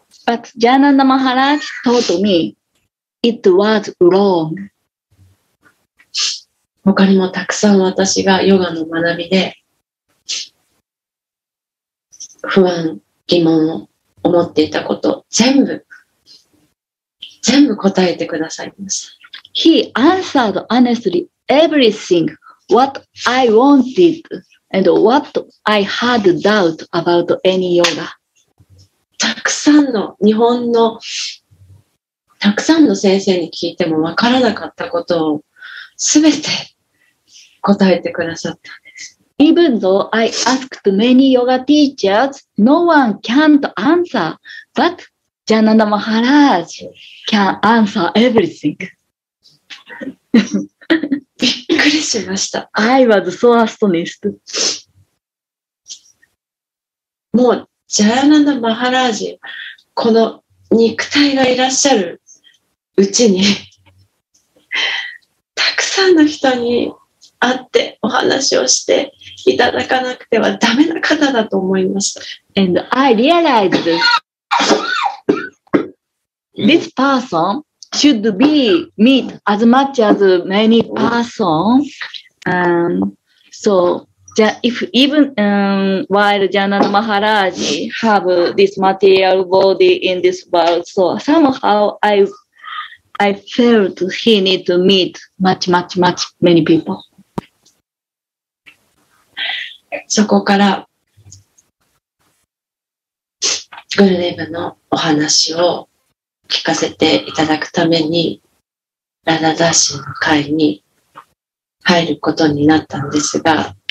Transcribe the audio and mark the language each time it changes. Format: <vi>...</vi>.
<en>But ジャーナンダ・マハラージ told me it was wrong.</en> <ja>他にもたくさん私がヨガの学びで不安、疑問を思っていたこと全部全部答えてくださいました。</ja> <en>He answered honestly everything what I wanted and what I had doubt about any yoga.</en> <ja>たくさんの日本のたくさんの先生に聞いてもわからなかったことをすべて答えてくださったんです。</ja> <en>Even though I asked many yoga teachers, no one can't answer, but ジャナナ・マハラージ can answer everything.</en> <ja>びっくりしました。</ja> <en>I was so astonished.</en> <ja>もう、ジャヤナンダ・マハラージ、この肉体がいらっしゃるうちに、たくさんの人に会ってお話をしていただかなくてはダメな方だと思いました。</ja> <en>And I realized this person should be meet as much as many persons. So, if even while Jnana Maharaji have this material body in this world, so somehow I felt he need to meet much many people.</en> <ja>そこからグルデーブのお話を聞かせていただくためにラナダシの会に入ることになったんですが、</ja>